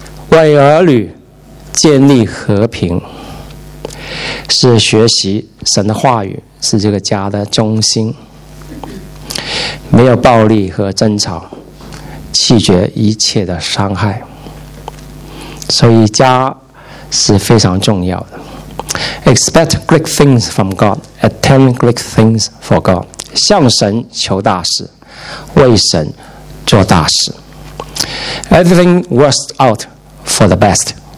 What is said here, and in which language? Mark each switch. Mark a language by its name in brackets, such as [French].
[Chinese] 为儿女建立和平，是学习神的话语，是这个家的中心。没有暴力和争吵，拒绝一切的伤害，所以家是非常重要的。 [English] Expect great things from God. Attend great things for God. [Chinese] 向神求大事，为神做大事。 [English] Everything works out for the best.